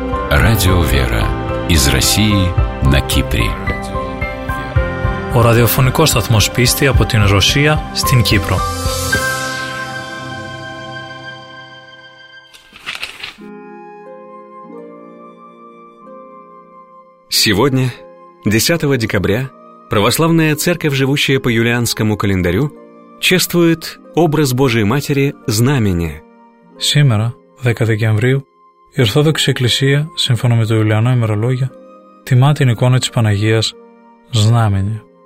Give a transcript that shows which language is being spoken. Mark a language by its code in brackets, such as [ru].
[ru] Радио «Вера» из России на Кипре. [el] Ο ραδιοφωνικός σταθμός πίστη από την Ρωσία στην Κύπρο. [ru] Сегодня, 10 декабря, православная церковь, живущая по юлианскому календарю, чествует образ Божией Матери Знамение. Сегодня, 10 декабря, [el] η Ορθόδοξη Εκκλησία, σύμφωνα με το Ιουλιανό ημερολόγιο, τιμά την εικόνα της Παναγίας Знамение.